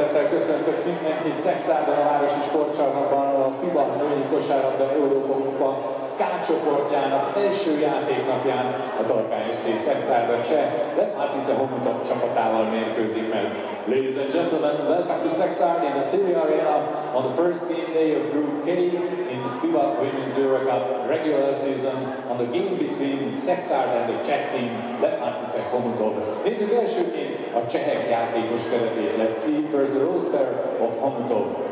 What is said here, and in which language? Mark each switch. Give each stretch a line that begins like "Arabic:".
Hungarian: köszöntök mindenkit Szekszárdon a Városi Sportcsarnokban a FIBA Női Kosárlabda Európa Kupa K csoportjának első játéknapján a Torkán SC Szekszárda cseh Lefátice Homutov csapatával mérkőzik meg.
English: Ladies and gentlemen, welcome to Szekszárd in the City Arena on the first game day of Group K in the FIBA Women's Euro Cup regular season on the game between Szekszárd and the Czech team Lefátice Homutov.
Hungarian: Nézzük elsőként a csehek játékos keretét.
English: Let's see first the roster of Homutov.